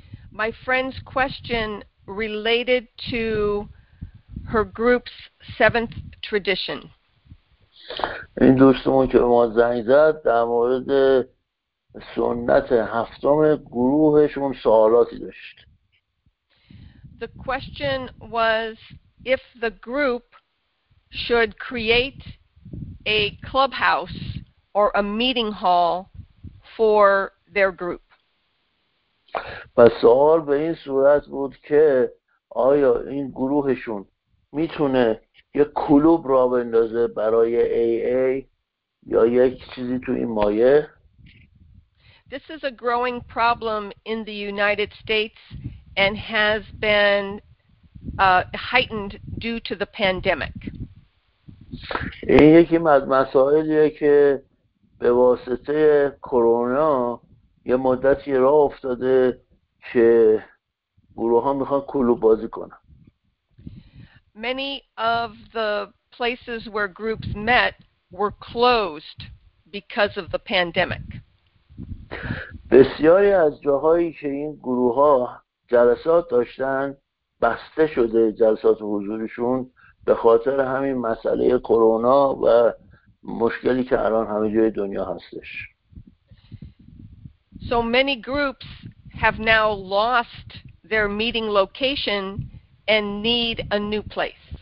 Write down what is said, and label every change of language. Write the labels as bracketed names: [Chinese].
[English] My friend's question related to her group's seventh tradition. [Persian] این دوستمون که ما زنگ زد در مورد سنت هفتم گروهشون سوالاتی داشت. [English] The question was if the group should create a clubhouse or a meeting hall for their group. [Persian] پس سوال به این صورت بود که آیا این گروهشون میتونه یک کلوب را بندازه برای AA یا یک چیزی تو این مایه؟ [English] This is a growing problem in the United States and has been heightened due to the pandemic. [Persian] این یکی از مسائلیه که به واسطه کرونا یه مدتی راه افتاده که گروه ها میخوان کلوب بازی کنن. [English] Many of the places where groups met were closed because of the pandemic. [Persian] بسیاری از جاهایی که این گروه ها جلسات داشتن بسته شده جلسات حضورشون به خاطر همین مسئله کرونا و مشکلی که الان همه جای دنیا هستش. [English] So many groups have now lost their meeting location and need a new place.